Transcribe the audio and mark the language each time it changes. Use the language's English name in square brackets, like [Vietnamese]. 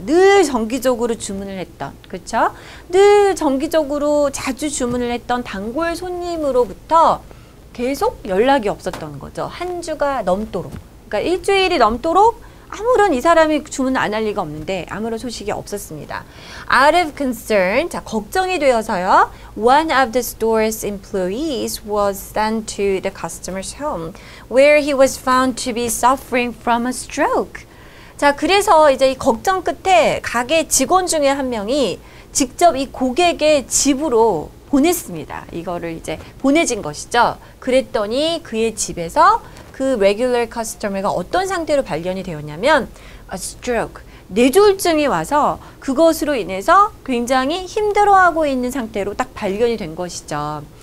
[Korean] 늘 정기적으로 주문을 했던, 그렇죠? 늘 정기적으로 자주 주문을 했던 단골 손님으로부터 계속 연락이 없었던 거죠. 한 주가 넘도록, 그러니까 일주일이 넘도록 아무런 이 사람이 주문 안 할 리가 없는데 아무런 소식이 없었습니다. [English] Out of concern, [Korean] 자, 걱정이 되어서요. [English] One of the store's employees was sent to the customer's home where he was found to be suffering from a stroke. [Korean] 자, 그래서 이제 이 걱정 끝에 가게 직원 중에 한 명이 직접 이 고객의 집으로 보냈습니다. 이거를 이제 보내진 것이죠. 그랬더니 그의 집에서 그 regular customer가 어떤 상태로 발견이 되었냐면 a stroke, 뇌졸중이 와서 그것으로 인해서 굉장히 힘들어하고 있는 상태로 딱 발견이 된 것이죠.